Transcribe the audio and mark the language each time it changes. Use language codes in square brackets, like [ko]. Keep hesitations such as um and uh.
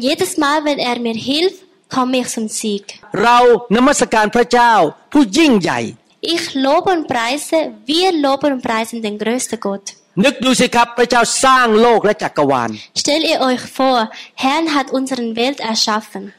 [de] jedes Mal, wenn er mir hilft, komme ich zum Sieg. Wir, Namaskar, Gott, der Ich lobe und preise, wir loben und preisen den größten Gott. [th] นึกดูสิครับพระเจ้าสร้างโลกและจักรวาล [de] Stell ihr euch vor, der Herr hat unsere Welt erschaffen.